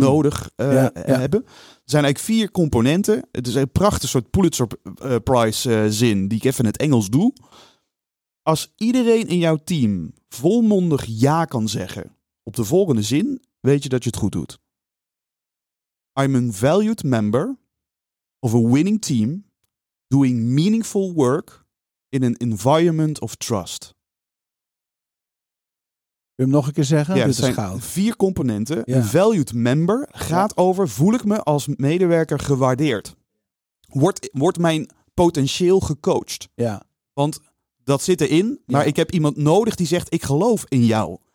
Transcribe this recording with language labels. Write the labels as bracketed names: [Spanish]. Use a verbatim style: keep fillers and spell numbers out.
[Dutch] nodig uh, ja, ja. hebben. Er zijn eigenlijk vier componenten. Het is een prachtig soort Pulitzer Prize uh, zin die ik even in het Engels doe. Als iedereen in jouw team volmondig ja kan zeggen op de volgende zin, weet je dat je het goed doet. [English] I'm a valued member of a winning team doing meaningful work in an environment of trust. [Dutch] Wil je hem nog een keer zeggen? Ja, dit het zijn is goud. Vier componenten. Ja. Een valued member gaat ja. over... voel ik me als medewerker gewaardeerd? Wordt, wordt mijn potentieel gecoacht? Ja. Want dat zit erin, maar ja. ik heb iemand nodig die zegt... ik geloof in jou.